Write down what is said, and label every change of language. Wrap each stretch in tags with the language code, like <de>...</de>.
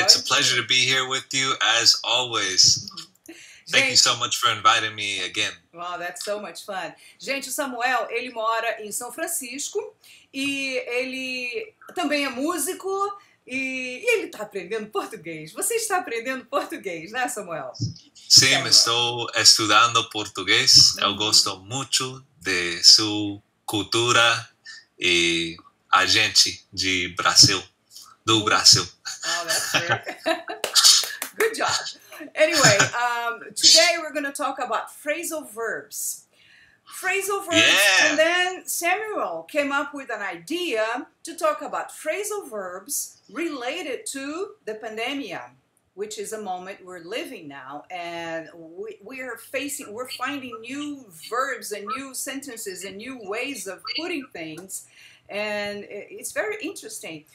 <en>It's a pleasure to be here with you, as always. Gente, thank you so much for inviting me again. Wow, that's so much fun.</en> <pt>Gente, o Samuel, ele mora em São Francisco e ele também é músico e ele está aprendendo português. Você está aprendendo português, né, Samuel? Sim, Samuel. Estou estudando português. Eu gosto muito de sua cultura e a gente de Brasil, do Brasil.</pt> <en>Wow, that's great. Good job. Anyway, today we're going to talk about phrasal verbs. Phrasal verbs, yeah. And then Samuel came up with an idea to talk about phrasal verbs related to the pandemia, which is a moment we're living now, and we're finding new verbs and new sentences and new ways of putting things, and it's very interesting.</en>